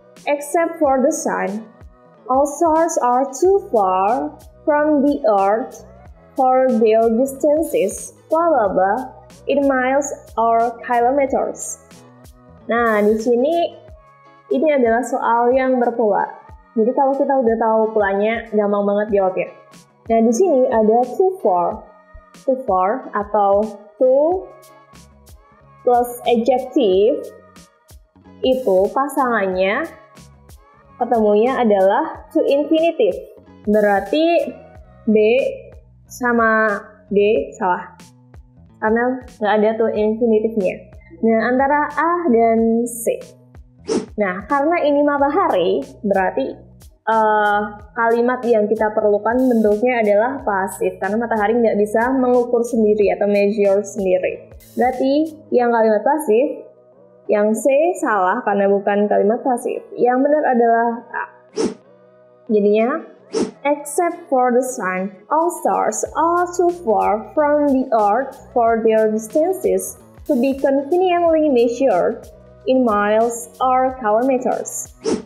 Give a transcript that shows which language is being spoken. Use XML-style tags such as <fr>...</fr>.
<en>Except for the sun, all stars are too far from the earth for their distances, blah blah blah, in miles or kilometers.</en> <id>Nah, di sini ini adalah soal yang berpola. Jadi kalau kita udah tahu polanya, gampang banget jawabnya. Nah, di sini ada too far atau too plus adjective. Itu pasangannya, ketemunya adalah to infinitive. Berarti B sama D salah. Karena nggak ada to infinitive-nya. Nah, antara A dan C. Nah, karena ini matahari, berarti kalimat yang kita perlukan bentuknya adalah pasif. Karena matahari nggak bisa mengukur sendiri atau measure sendiri. Berarti yang kalimat pasif, yang C salah karena bukan kalimat pasif. Yang benar adalah A.</id> <en>Jadinya, except for the sun, all stars are too far from the earth for their distances to be conveniently measured in miles or kilometers.</en>